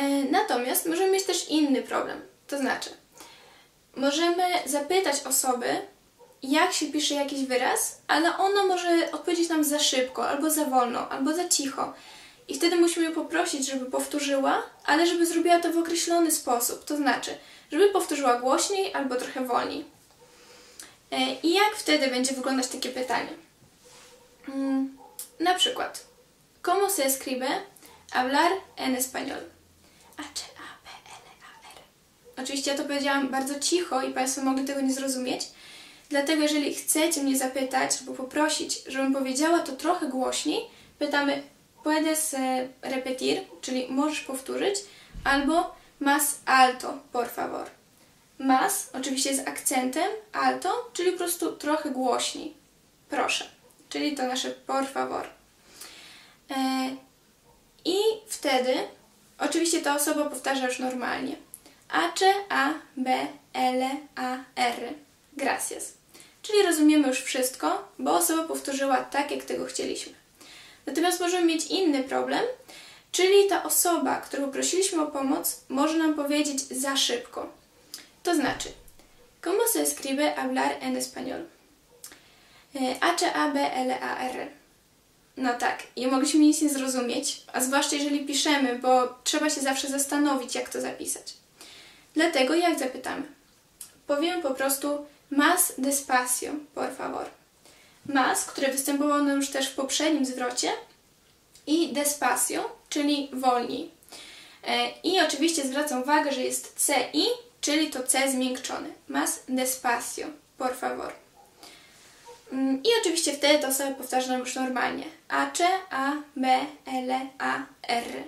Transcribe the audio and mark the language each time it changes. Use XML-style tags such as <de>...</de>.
<pl>Natomiast możemy mieć też inny problem, to znaczy możemy zapytać osoby, jak się pisze jakiś wyraz, ale ono może odpowiedzieć nam za szybko, albo za wolno, albo za cicho. I wtedy musimy ją poprosić, żeby powtórzyła, ale żeby zrobiła to w określony sposób. To znaczy, żeby powtórzyła głośniej, albo trochę wolniej. I jak wtedy będzie wyglądać takie pytanie? Na przykład.</pl> <es>¿Cómo se escribe hablar en español? H-A-P-L-A-R.</es> <pl>Oczywiście ja to powiedziałam bardzo cicho i Państwo mogli tego nie zrozumieć. Dlatego, jeżeli chcecie mnie zapytać albo poprosić, żebym powiedziała to trochę głośniej, pytamy</pl> <es>puedes repetir,</es> <pl>czyli możesz powtórzyć, albo</pl> <es>más alto, por favor.</es> <pl>Más, oczywiście z akcentem, alto, czyli po prostu trochę głośniej. Proszę. Czyli to nasze</pl> <es>por favor.</es> <pl>I wtedy, oczywiście ta osoba powtarza już normalnie.</pl> <es>Ace, a, b, l, a, r. Gracias.</es> <pl>Czyli rozumiemy już wszystko, bo osoba powtórzyła tak, jak tego chcieliśmy. Natomiast możemy mieć inny problem, czyli ta osoba, którą prosiliśmy o pomoc, może nam powiedzieć za szybko. To znaczy,</pl> <es>¿Cómo se escribe hablar en español? H-A-B-L-A-R.</es> <pl>No tak, i mogliśmy nic nie zrozumieć, a zwłaszcza jeżeli piszemy, bo trzeba się zawsze zastanowić, jak to zapisać. Dlatego jak zapytamy? Powiemy po prostu</pl> <es>más despacio, por favor.</es> <pl>Más, które występowało nam już też w poprzednim zwrocie, i despacio, czyli wolniej. I oczywiście zwracam uwagę, że jest C-I, czyli to C zmiękczone.</pl> <es>Más despacio, por favor.</es> <pl>I oczywiście wtedy to sobie powtarzam już normalnie. H, A, B, L, A, R.</pl>